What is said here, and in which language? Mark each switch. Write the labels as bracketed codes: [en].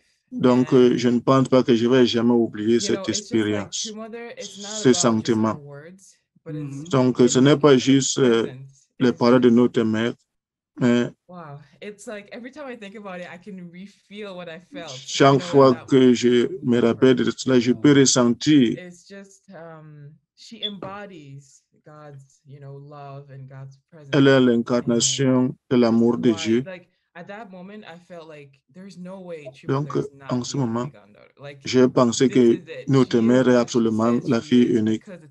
[fr] Donc, je ne pense pas que je vais jamais oublier cette expérience, ce sentiment. Donc, ce n'est pas juste les paroles de notre mère, [en] Wow, it's like every time I think about it, I can re-feel what I felt. [fr] Chaque fois que je me rappelle de cela, je peux ressentir. [en] It's just she embodies God's, you know, love and God's presence. [fr] Elle est l'incarnation de l'amour de Dieu. [en] Like, at that moment, I felt like there's no way. [fr] Donc, en ce moment, j'ai pensé que notre mère est absolument la fille unique.